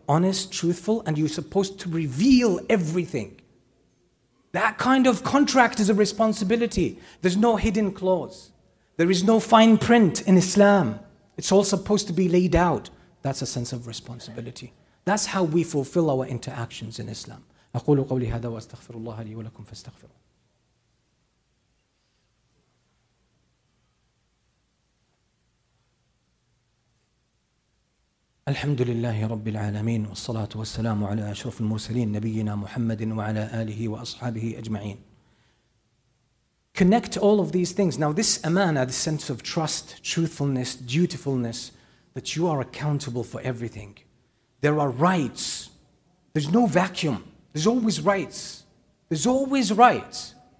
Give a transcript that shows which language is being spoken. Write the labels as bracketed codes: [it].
[en] Honest, truthful, and you're supposed to reveal everything. That kind of contract is a responsibility. There's no hidden clause. There is no fine print in Islam. It's all supposed to be laid out. That's a sense of responsibility. That's how we fulfill our interactions in Islam. [ar] أقول قولي هذا وأستغفر الله لي ولكم فاستغفروا. الحمد لله رب العالمين والصلاة والسلام على أشرف المرسلين نبينا محمد وعلى آله وأصحابه أجمعين. [en] Connect all of these things. Now this amana, this sense of trust, truthfulness, dutifulness, that you are accountable for everything. There are rights. There's no vacuum. There's always rights. There's always rights.